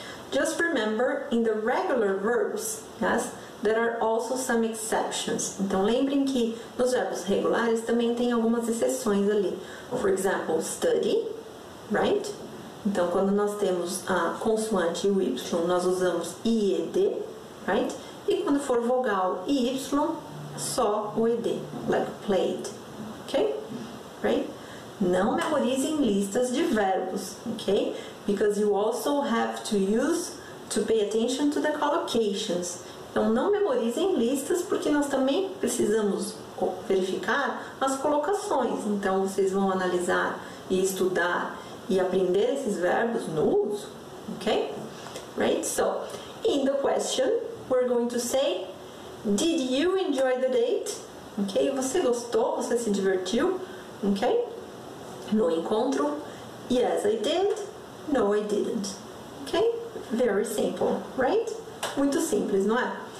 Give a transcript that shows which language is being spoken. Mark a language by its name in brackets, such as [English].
[English] Just remember, in the regular verbs, yes, there are also some exceptions. [Portuguese] Então, lembrem que nos verbos regulares também tem algumas exceções ali. [English] For example, study, right? [Portuguese] Então, quando nós temos a consoante Y, nós usamos IED, right? E quando for vogal Y, só o ED, [English] like played, [Portuguese] ok? Right? Não memorizem listas de verbos, ok? [English] Because you also have to use to pay attention to the collocations. [Portuguese] Então, não memorizem listas, porque nós também precisamos verificar as colocações. Então, vocês vão analisar e estudar e aprender esses verbos no uso, ok? [English] Right? So, in the question, we're going to say, did you enjoy the date? [Portuguese] Ok? Você gostou? Você se divertiu? Ok? No encontro, [English] yes, I did. No, I didn't. Ok? Very simple, right? [Portuguese] Muito simples, não é?